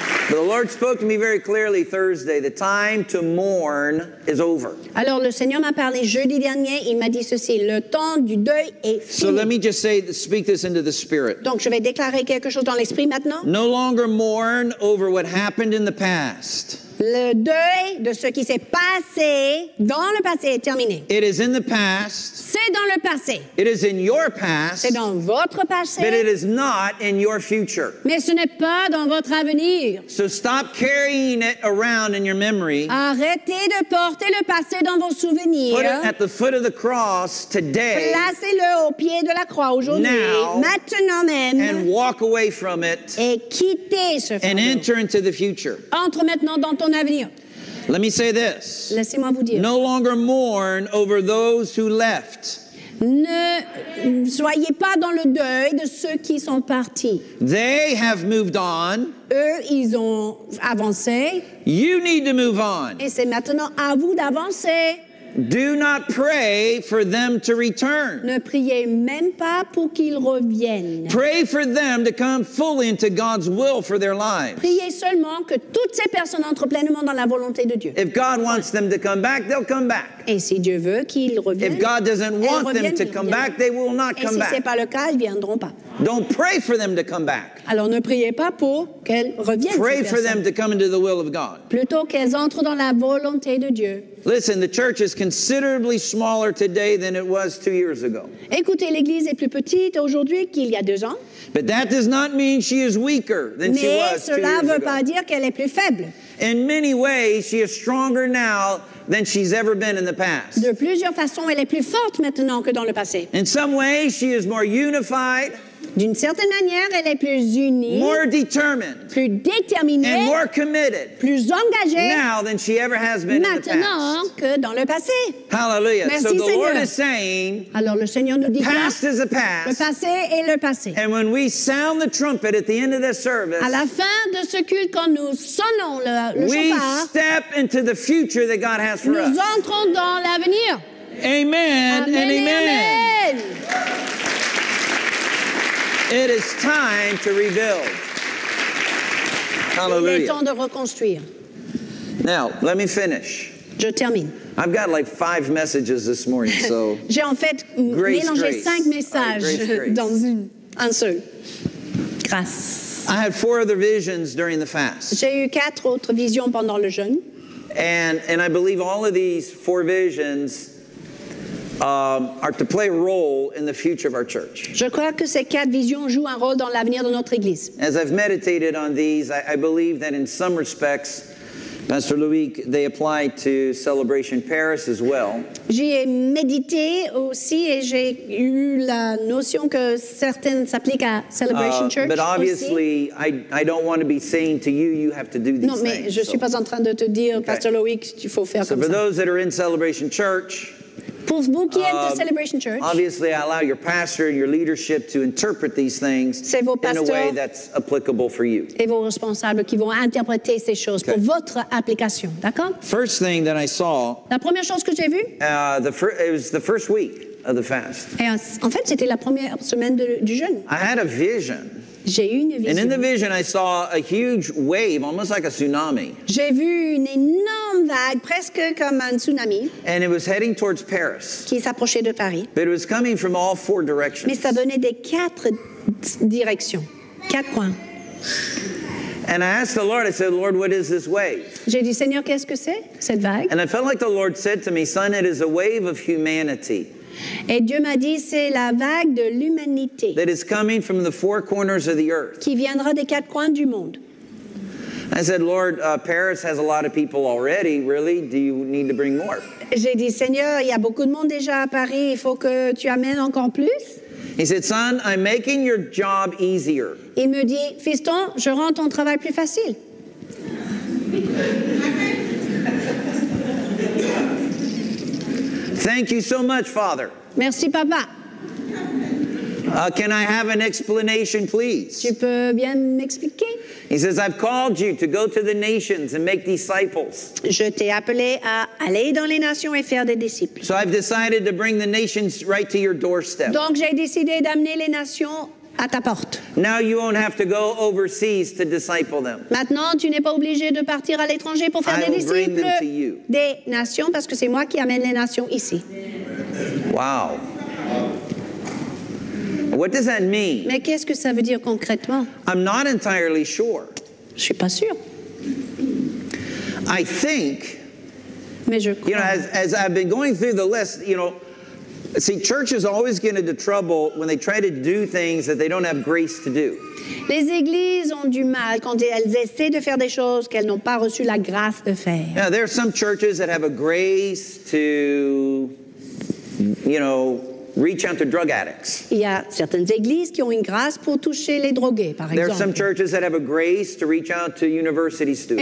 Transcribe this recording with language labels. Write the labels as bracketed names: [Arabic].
[English] But the Lord spoke to me very clearly Thursday. The time to mourn is over. [French] Alors le Seigneur m'a parlé jeudi dernier. Il m'a dit ceci: le temps du deuil est fini. [English] So let me just speak this into the spirit. [French] Donc je vais déclarer quelque chose dans l'esprit maintenant. [English] No longer mourn over what happened in the past. [French] Le deuil de ce qui s'est passé dans le passé est terminé. [English] It is in the past. [French] C'est dans le passé. [English] It is in your past. [French] C'est dans votre passé. [English] But it is not in your future. [French] Mais ce n'est pas dans votre avenir. [English] So stop carrying it around in your memory. [French] Arrêtez de porter le passé dans vos souvenirs. [English] Put it at the foot of the cross today. [French] Placez-le au pied de la croix aujourd'hui. [English] Now, [French] maintenant même. [English] And walk away from it. [French] Et quittez ce fardeau. [English] And enter into the future. [French] Entre maintenant dans ton avenir. [English] Let me say this. [French] Laissez-moi vous dire. [English] No longer mourn over those who left. [French] Ne soyez pas dans le deuil de ceux qui sont partis. [English] They have moved on. [French] Eux, ils ont avancé. [English] You need to move on. [French] Et c'est maintenant à vous d'avancer. [English] Do not pray for them to return. [French] Ne priez même pas pour qu'ils reviennent. [English] Pray for them to come fully into God's will for their lives. [French] Priez seulement que toutes ces personnes entrent pleinement dans la volonté de Dieu. [English] If God wants them to come back, they'll come back. [French] Et si Dieu veut qu'ils reviennent, [English] If God doesn't want them to come back, they will not come back. [French] Et si c'est pas le cas, ils viendront pas. [English] Don't pray for them to come back. [French] Alors ne priez pas pour qu'elles reviennent. [English] Pray for them to come into the will of God. [French] Plutôt qu'elles entrent dans la volonté de Dieu. [English] Listen, the church is considerably smaller today than it was 2 years ago. [French] Écoutez, l'église est plus petite aujourd'hui qu'il y a 2 ans. [English] But that does not mean she is weaker than [French] Mais [English] she was 2 years ago. [French] Mais cela ne veut pas dire qu'elle est plus faible. [English] In many ways, she is stronger now than she's ever been in the past. [French] De plusieurs façons, elle est plus forte maintenant que dans le passé. [English] In some ways, she is more unified. [French] D'une certaine manière, elle est plus unie, [English] more determined, [French] plus déterminée, [English] and more committed, [French] plus engagée, [English] now than she ever has been [French] maintenant [English] in the past. [French] Que dans le passé. [English] Hallelujah. [French] Merci, [English] so the [French] Seigneur. [English] Lord is saying, [French] Alors, le Seigneur nous dit [English] the past [French] là, [English] is the past, [French] le passé est le passé. [English] And when we sound the trumpet at the end of this service, [French] à la fin de ce culte, quand nous sonnons le chauffard, [English] we step into the future that God has for [French] nous [English] us. [French] Nous entrons dans l'avenir. [English] Amen, amen and amen. Amen. It is time to rebuild. Hallelujah. [French] Il est temps de reconstruire. [English] Now, let me finish. [French] Je termine. [English] I've got like 5 messages this morning, so. [French] J'ai en fait [English] grace, [French] mélangé [English] grace. [French] 5 messages dans une, un seul. Grâce. [English] I had 4 other visions during the fast. [French] J'ai eu 4 autres visions pendant le jeûne. [English] And I believe all of these four visions are to play a role in the future of our church. [French] Je crois que ces quatre visions jouent un rôle dans l'avenir de notre église. [English] As I've meditated on these, I believe that in some respects, Pastor Loïc, they apply to Celebration Paris as well. [French] J'ai médité aussi et j'ai eu la notion que certaines s'appliquent à Celebration Church aussi. [English] But obviously, [French] aussi. [English] I don't want to be saying to you, you have to do these [French] non, mais [English] things. [French] Je ne suis pas en train de te dire, okay. Pastor Loïc, il faut faire [English] so [French] comme [English] for [French] ça. [English] Those that are in Celebration Church, [French] pour vous qui êtes de Celebration Church, [English] obviously I allow your pastor and your leadership to interpret these things in a way that's applicable for you. [French] Et vos responsables qui vont interpréter ces choses okay. pour votre application, d'accord? [English] First thing that I saw. [French] La première chose que j'ai vue. [English] It was the first week of the fast. [French] Et en fait, c'était la première semaine du jeûne. [English] I had a vision. [French] J'ai eu une vision. [English] And in the vision, I saw a huge wave, almost like a tsunami. [French] J'ai vu une énorme vague, presque comme un tsunami. [English] And it was heading towards Paris. [French] Qui s'approchait de Paris. [English] But it was coming from all four directions. [French] Mais ça venait des quatre directions, quatre coins. [English] And I asked the Lord, I said, Lord, what is this wave? [French] J'ai dit, Seigneur, qu'est-ce que c'est, cette vague? [English] And I felt like the Lord said to me, son, it is a wave of humanity. [French] Et Dieu m'a dit, c'est la vague de l'humanité. [English] That is coming from the four corners of the earth. [French] Qui viendra des quatre coins du monde. [English] I said, Lord, Paris has a lot of people already, really. Do you need to bring more? [French] J'ai dit, Seigneur, il y a beaucoup de monde déjà à Paris. Il faut que tu amènes encore plus. [English] He said, son, I'm making your job easier. [French] Il me dit, fiston, je rends ton travail plus facile. [English] Thank you so much, Father. [French] Merci, Papa. [English] Can I have an explanation, please? [French] Tu peux bien m'expliquer? [English] He says, I've called you to go to the nations and make disciples. [French] Je t'ai appelé à aller dans les nations et faire des disciples. [English] So I've decided to bring the nations right to your doorstep. [French] Donc j'ai décidé d'amener les nations à ta porte. [English] Now you won't have to go overseas to disciple them. [French] Maintenant, tu n'es pas obligé de partir à l'étranger pour faire [English] I [French] des disciples [English] bring them to you. [French] Des nations, parce que c'est moi qui amène les nations ici. [English] Wow. What does that mean? [French] Mais qu'est-ce que ça veut dire concrètement? [English] I'm not entirely sure. [French] Je suis pas sûr. [English] I think. [French] Mais je crois. [English] You know, as I've been going through the list, you know. See, churches always get into trouble when they try to do things that they don't have grace to do. [French] Les églises ont du mal quand elles essaient de faire des choses qu'elles n'ont pas reçu la grâce de faire. [English] Now, there are some churches that have a grace to, you know, reach out to drug addicts. [French] Il y a certaines églises qui ont une grâce pour toucher les drogués, par [English] there [French] exemple. [English] There are some churches that have a grace to reach out to university students.